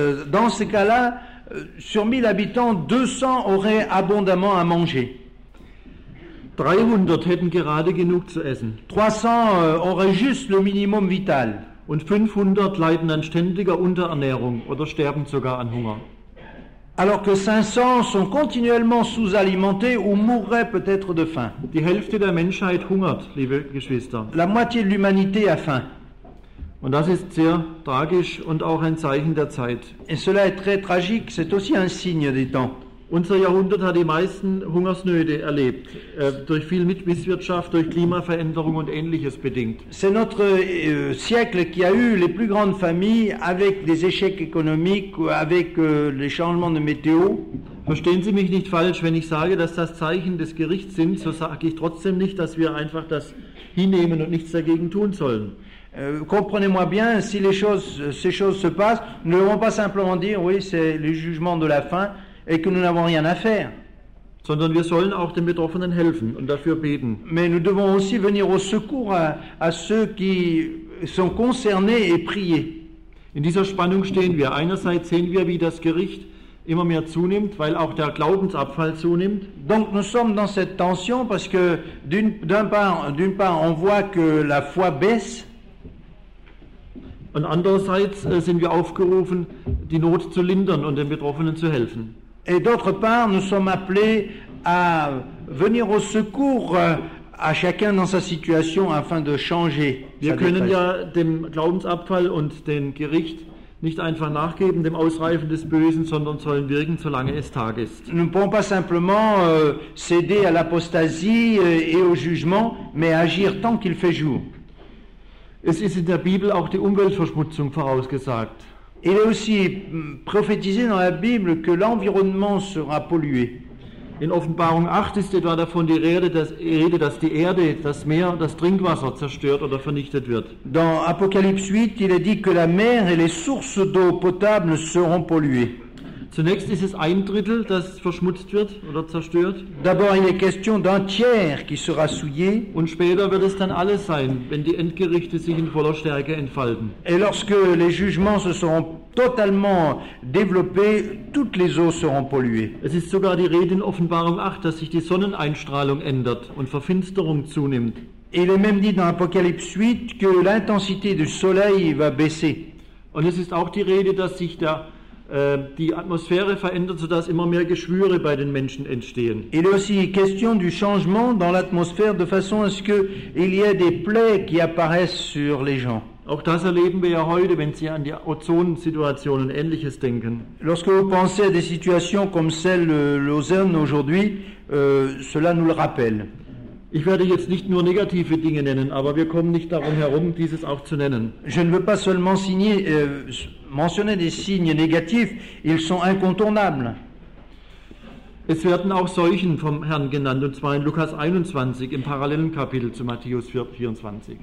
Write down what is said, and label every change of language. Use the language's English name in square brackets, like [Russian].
[French] Dans ce cas-là, sur 1000 habitants, 200 auraient abondamment à manger. [German] 300 hätten gerade genug zu essen. [French] 300 auraient juste le minimum vital. [German] Und 500 leiden an ständiger Unterernährung oder sterben sogar an Hunger. [French] Alors que 500 sont continuellement sous-alimentés ou mourraient peut-être de faim. [German] Die Hälfte der Menschheit hungert, liebe Geschwister. [French] La moitié de l'humanité a faim. [German] Und das ist sehr tragisch und auch ein Zeichen der Zeit. [French] Et cela est très tragique, c'est aussi un signe des temps. [German] Unser Jahrhundert hat die meisten Hungersnöte erlebt, durch viel Misswirtschaft, durch Klimaveränderung und ähnliches bedingt. [French] C'est notre siècle qui a eu les plus grandes famines avec des échecs économiques, avec les changements de météo. [German] Verstehen Sie mich nicht falsch, wenn ich sage, dass das Zeichen des Gerichts sind, so sage ich trotzdem nicht, dass wir einfach das hinnehmen und nichts dagegen tun sollen. [French] Comprenez-moi bien, si ces choses se passent, nous ne devons pas simplement dire, oui, c'est le jugement de la faim, et que nous n'avons rien à faire. [German] Sondern wir sollen auch den Betroffenen helfen und dafür beten. [French] Mais nous devons aussi venir au secours à ceux qui sont concernés et prier. [German] In dieser Spannung stehen wir. Einerseits sehen wir, wie das Gericht immer mehr zunimmt, weil auch der Glaubensabfall zunimmt. [French] Donc nous sommes dans cette tension parce que d'une part on voit que la foi baisse. [German] Und andererseits sind wir aufgerufen, die Not zu lindern und den Betroffenen zu helfen. [French] Et d'autre part, nous sommes appelés à venir au secours à chacun dans sa situation afin de changer. [German] Wir können ja dem Glaubensabfall und dem Gericht nicht einfach nachgeben, dem Ausreifen des Bösen, sondern sollen wirken, solange es Tag ist. [French] Nous ne pouvons pas simplement céder à l'apostasie et au jugement, mais agir tant qu'il fait jour. [German] Es ist in der Bibel auch die Umweltverschmutzung vorausgesagt. [French] Il est aussi prophétisé dans la Bible que l'environnement sera pollué. [German] In Offenbarung 8 ist etwa davon die Rede, dass die Erde, das Meer, das Trinkwasser zerstört oder vernichtet wird. [French] Dans Apocalypse 8, il est dit que la mer et les sources d'eau potable seront polluées. [German] Zunächst ist es ein Drittel, das verschmutzt wird oder zerstört. [French] D'abord, il est question d'un tiers qui sera souillé. [German] Und später wird es dann alles sein, wenn die Endgerichte sich in voller Stärke entfalten. [French] Et lorsque les jugements se seront totalement développés, toutes les eaux seront polluées. [German] Es ist sogar die Rede in Offenbarung 8, dass sich die Sonneneinstrahlung ändert und Verfinsterung zunimmt. [French] Et il est même dit dans Apocalypse 8 que l'intensité du soleil va baisser. [German] Und es ist auch die Rede, dass sich der die Atmosphäre verändert, sodass immer mehr Geschwüre bei den Menschen entstehen. [French] Il est aussi question du changement dans l'atmosphère de façon à ce que il y ait des plaies qui apparaissent sur les gens. [German] Auch das erleben wir ja heute, wenn Sie an die Ozonsituation und Ähnliches denken. [French] Lorsque vous pensez à des situations comme celle de l'ozone aujourd'hui, cela nous le rappelle. [German] Ich werde jetzt nicht nur negative Dinge nennen, aber wir kommen nicht darum herum, dieses auch zu nennen. [French] Je ne veux pas seulement mentionner des signes négatifs, ils sont incontournables. [German] Es werden auch Seuchen vom Herrn genannt, und zwar in Lukas 21, im parallelen Kapitel zu Matthäus 24.